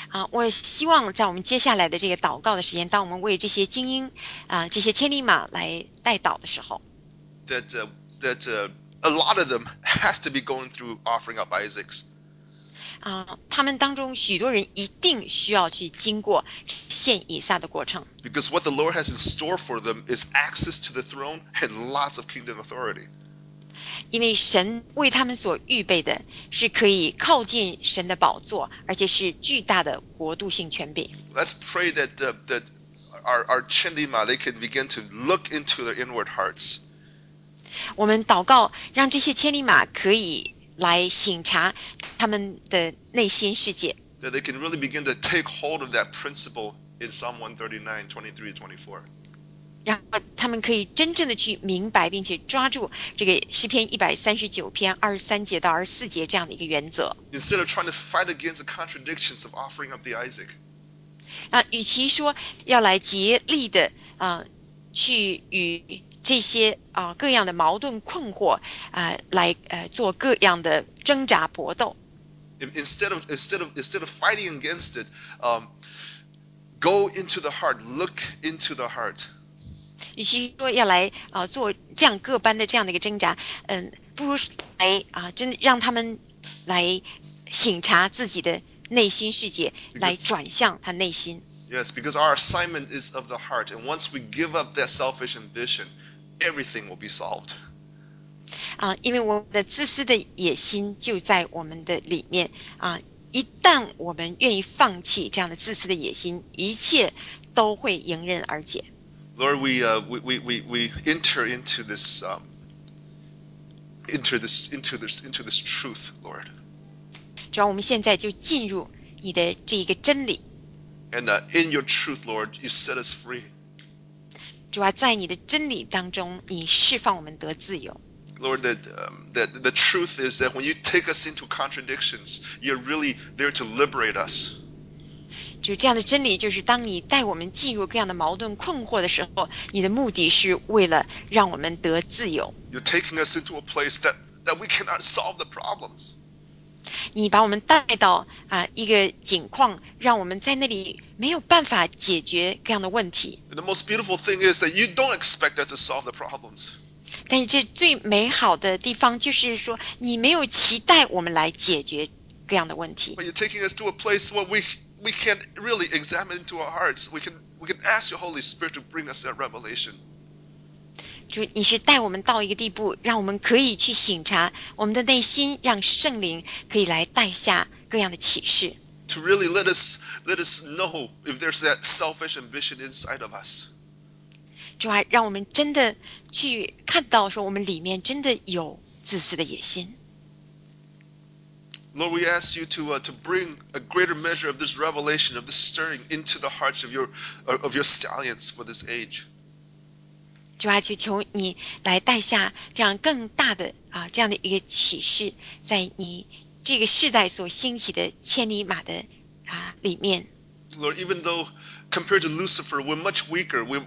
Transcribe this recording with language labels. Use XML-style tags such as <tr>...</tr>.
<zh>我希望在我们接下来的这个祷告的时间，当我们为这些精英这些千里马来代祷的时候，</zh> <en>That a lot of them has to be going through offering up Isaacs.</en> <zh>他们当中许多人一定需要去经过献以撒的过程。</zh> <en>Because what the Lord has in store for them is access to the throne and lots of kingdom authority.</en> <zh>因为神为他们所预备的是可以靠近神的宝座，而且是巨大的国度性权柄。</zh> <en>Let's pray that our chinima they can begin to look into their inward hearts.</en> <zh>我们祷告，让这些千里马可以来省察他们的内心世界。</zh> <en>That they can really begin to take hold of that principle in Psalm 139, 23 and 24.</en> <zh>然后他们可以真正的去明白，并且抓住这个诗篇139篇23节到24节这样的一个原则。</zh> <en>Instead of trying to fight against the contradictions of offering up the Isaac.</en> <zh>与其说要来竭力的去与这些各样的矛盾困惑来做各样的挣扎搏斗。</zh> <en>Instead of fighting against it, go into the heart, look into the heart.</en> <zh>与其说要来做这样各般的这样的一个挣扎，不如来真让他们来省察自己的内心世界，来转向他内心。</zh> <en>Yes, because our assignment is of the heart, and once we give up that selfish ambition, everything will be solved.</en> <zh>因为我们的自私的野心就在我们的里面一旦我们愿意放弃这样的自私的野心，一切都会迎刃而解。</zh> <en>Lord, we enter into this, into this truth, Lord.</en> <zh>主要我们现在就进入你的这一个真理。</zh> <en>And in your truth, Lord, you set us free.</en> <zh>主啊，在你的真理当中，你释放我们得自由。</zh> <en>Lord, that the truth is that when you take us into contradictions, you're really there to liberate us.</en> <zh>就这样的真理，就是当你带我们进入各样的矛盾困惑的时候，你的目的是为了让我们得自由。</zh> <en>You're taking us into a place that we cannot solve the problems.</en> <zh>你把我们带到一个境况，让我们在那里没有办法解决各样的问题。</zh> <en>And the most beautiful thing is that you don't expect us to solve the problems.</en> <zh>但是这最美好的地方就是说，你没有期待我们来解决各样的问题。</zh> <en>But you're taking us to a place where we can really examine into our hearts. We can ask your Holy Spirit to bring us that revelation.</en> <zh>主，你是带我们到一个地步，让我们可以去省察我们的内心，让圣灵可以来带下各样的启示。</zh> <en>To really let us know if there's that selfish ambition inside of us.</en> <zh>主啊，让我们真的去看到说我们里面真的有自私的野心。</zh> <en>Lord, we ask you to bring a greater measure of this revelation, of this stirring into the hearts of your stallions for this age.</en> <zh>主啊，就求你来带下这样更大的这样的一个启示，在你这个世代所兴起的千里马的里面。</zh> <en>Lord, even though compared to Lucifer, we're much weaker.</en>